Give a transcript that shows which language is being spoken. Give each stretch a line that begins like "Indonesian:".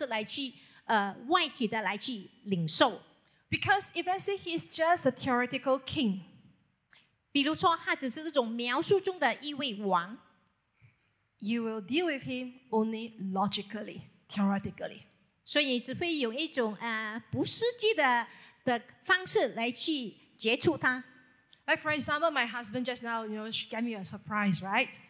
Chinese: 其实呢,你自己本身能够真正感受到耶稣在你心中的地位,而不是以立足方式来去,外界的来去领受。
English: Because if let's say he is just a theoretical king,
Chinese: 比如说他只是这种描述中的一位王,
English: you will deal with him only logically, theoretically.
Chinese: 所以你只会用一种, 不实际的方式来去接触他。
English: Like for example, my husband just now, you know, she gave me a surprise, right?